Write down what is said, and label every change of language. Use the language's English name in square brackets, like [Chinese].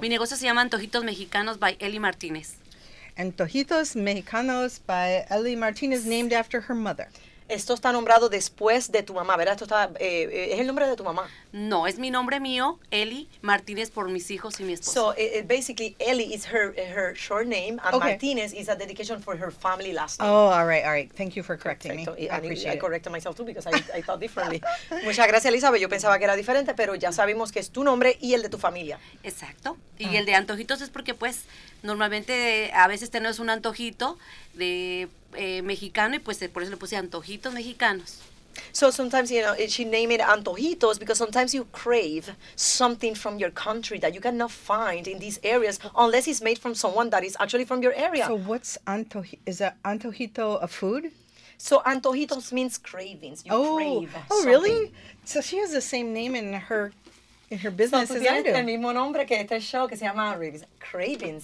[Spanish] Mi negocio se llama Antojitos Mexicanos by Eli Martínez. [English] Antojitos Mexicanos by Eli Martínez, named after her mother. [Spanish] Esto está nombrado después de tu mamá, ¿verdad? Esto está, es el nombre de tu mamá. No, es mi nombre mío, Eli Martínez, por mis hijos y mi esposo. [English] So, basically, Eli is her short name, and okay. Martínez is a dedication for her family last name. Oh, all right. Thank you for correcting [Spanish] Perfecto. [English] Me. I appreciate it. I corrected myself too, because I thought differently. [Spanish] Muchas gracias, Elizabeth. Yo pensaba que era diferente, pero ya sabemos que es tu nombre y el de tu familia. Exacto. Y el de Antojitos es porque, pues, normalmente a veces tenemos un antojito de... mexicano y pues por eso le puse Antojitos Mexicanos. [English] So sometimes, you know, she named it Antojitos because sometimes you crave something from your country that you cannot find in these areas unless it's made from someone that is actually from your area. So what's Antojito? Is that Antojito a food? So Antojitos means cravings. You crave something. Oh, really? So she has the same name in her business, so, as I do. [Spanish] So tienes el mismo nombre que este show que se llama Cravings.